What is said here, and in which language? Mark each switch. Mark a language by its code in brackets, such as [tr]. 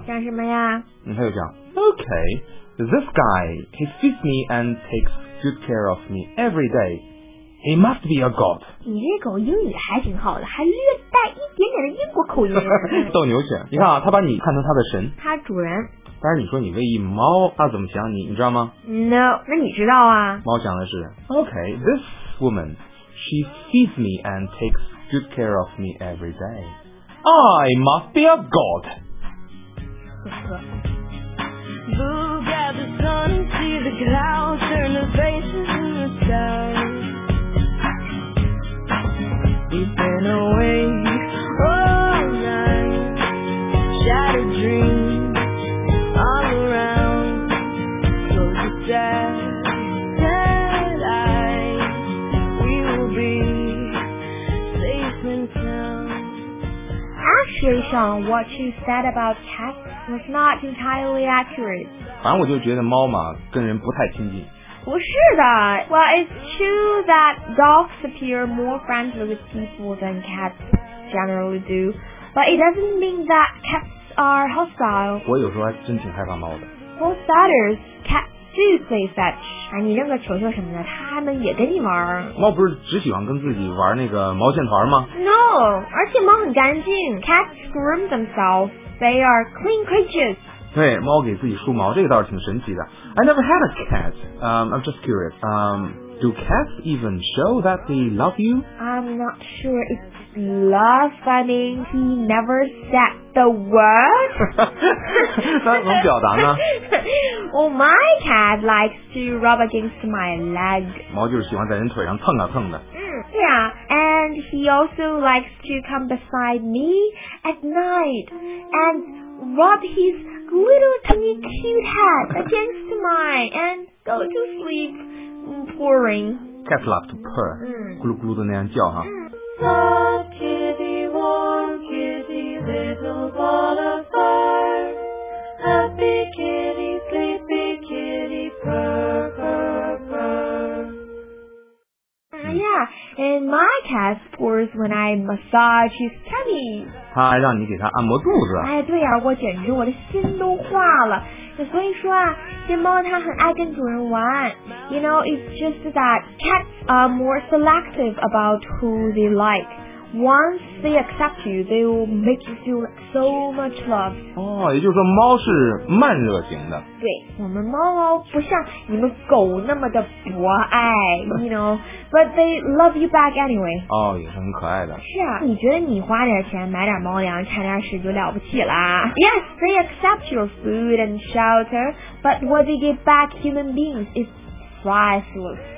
[zh] 想什么呀？嗯，它就想 ，OK。 [en] This guy, he feeds me and takes good care of me every day. He must be a god. [zh] 你这狗英语还挺好的，还略带一点点的英国口音。斗牛犬，你看啊，他把你看成他的神。他主人。但是你说你喂一猫，他怎么想你？你知道吗？No， 那你知道啊。猫想的是 [en] ，OK， this woman, she feeds me and takes good care of me every day. I must be a god. Look at the sun, see the clouds, turn the faces in the sky. We've been away all night. Shattered dreams all around. Close to death, dead eyes. We will be safe in town. Actually, Sean, what you said about cats was not entirely accurate. [zh] 反正我就觉得猫嘛跟人不太亲近。不是的。 [en] Well, it's true that dogs appear more friendly with people than cats generally do. But it doesn't mean that cats are hostile. [zh] 我有时候还真挺害怕猫的。 [en] For starters, cats do play fetch. [zh] 哎，你扔个球球什么的，他们也跟你玩。猫不是只喜欢跟自己玩那个毛线团吗？No, 而且猫很干净。 [en] Cats groom themselves. They are clean creatures. [zh] 对，猫给自己梳毛，这个倒是挺神奇的。 [en] I never had a cat. I'm just curious. Do cats even show that they love you? I'm not sure. It's love, funny. He never said the word. [zh] 那怎么表达呢 [en] ？Well, my cat likes to rub against my leg. [zh] 猫就是喜欢在人腿上蹭啊蹭的。 [en] Yeah, and he also likes to come beside me at night and rub his little tiny cute head against mine and go to sleep purring. Cats love to purr. [zh] 咕噜咕噜的那样叫哈。 [en] Love kitty, warm kitty, little ball of fire. Happy kitty, sleepy kitty, purr, purr, purr. Yeah, and my cat purrs when I massage his tummy. [zh] 他让你给他按摩肚子。哎，对呀、啊，我简直我的心都化了。所以说啊，这猫它很爱跟主人玩。 [en] You know, it's just that cats are more selective about who they like. Once they accept you, they will make you feel so much loved. [zh] 哦，也就是说猫是慢热型的。对，我们猫哦不像你们狗那么的博爱。 [en] You know. But they love you back anyway. [zh] 哦，也是很可爱的。是啊，你觉得你花点钱买点猫粮、铲点屎就了不起啦 ？ [en] Yes, they accept your food and shelter, but what they give back human beings is priceless.